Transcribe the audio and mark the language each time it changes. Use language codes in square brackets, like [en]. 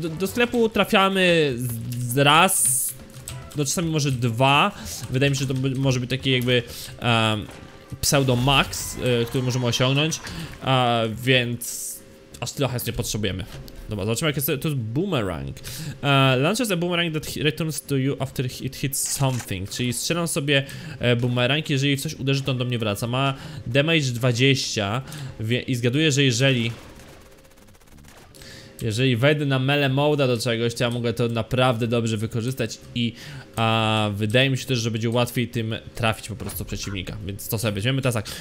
[pl] Do sklepu trafiamy z raz, no czasami może dwa. Wydaje mi się, że to może być taki jakby pseudo max, który możemy osiągnąć. Więc aż tyle hajsu nie potrzebujemy. Dobra, zobaczymy, jak jest. To jest boomerang. [en] Launches a boomerang that returns to you after it hits something. [pl] Czyli strzelam sobie boomerang, jeżeli coś uderzy, to on do mnie wraca. Ma damage 20 i zgaduję, że jeżeli wejdę na melee mode'a do czegoś, to ja mogę to naprawdę dobrze wykorzystać i wydaje mi się też, że będzie łatwiej tym trafić po prostu przeciwnika, więc to sobie weźmiemy teraz tak.